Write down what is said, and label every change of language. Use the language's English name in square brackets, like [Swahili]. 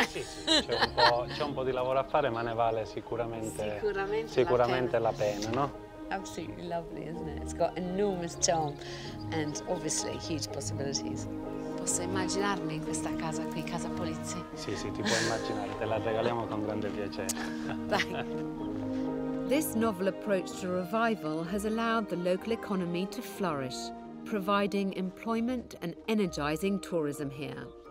[Italian] c'è un po' di lavoro a fare, ma ne vale sicuramente la pena, no? [English] Absolutely lovely, isn't it? It's got enormous charm and obviously huge possibilities. [Italian] Posso immaginarmi in questa casa qui, casa Polizzi? Sì, sì, ti puoi immaginare, te la regaliamo con grande piacere. [English] This novel approach to revival has allowed the local economy to flourish, providing employment and energizing tourism here.